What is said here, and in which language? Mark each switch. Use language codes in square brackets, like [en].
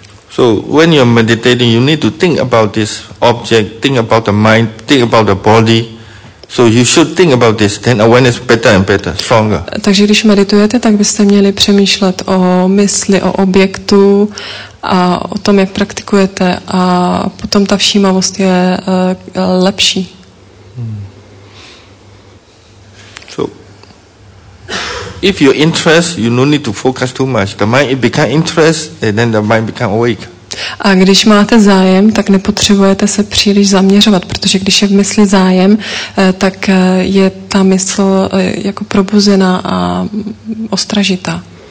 [en] So when you're meditating, you need to think about this object, think about the mind, think about the body. So you should think about this, then awareness better and better, stronger. [cs] Takže když meditujete, tak byste měli přemýšlet o mysli, o objektu a o tom, jak praktikujete, a potom ta všímavost je lepší. [en] So If you're interested, you don't need to focus too much. The mind, it becomes interested, and then the mind becomes awake. [cs] A když máte zájem, tak nepotřebujete se příliš zaměřovat, protože když je v mysli zájem, tak je ta mysl jako probuzená a ostražitá.